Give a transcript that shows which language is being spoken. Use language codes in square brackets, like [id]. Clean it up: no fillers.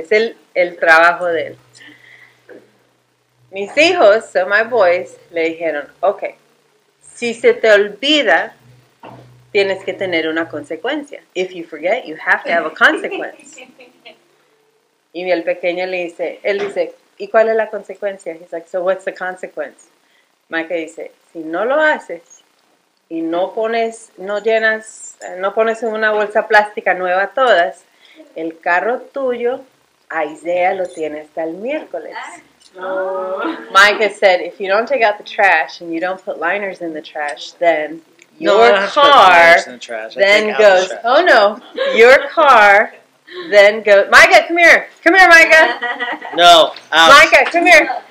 [es] Es el trabajo de él. Mis hijos, [en] so my boys, [es] le dijeron, okay. Si se te olvida, tienes que tener una consecuencia. [en] If you forget, you have to have a consequence. [es] Y el pequeño le dice, él dice, ¿y cuál es la consecuencia? [en] He's like, so what's the consequence? [es] Mike dice, si no lo haces y no pones una bolsa plástica nueva a todas, el carro tuyo, Isaiah lo tiene hasta el miércoles. Oh. [en] Mike has said, if you don't take out the trash and you don't put liners in the trash, then your car then goes, the oh no, your car then goes, Micah, come here. Come here, Micah. No, out. Micah, come here.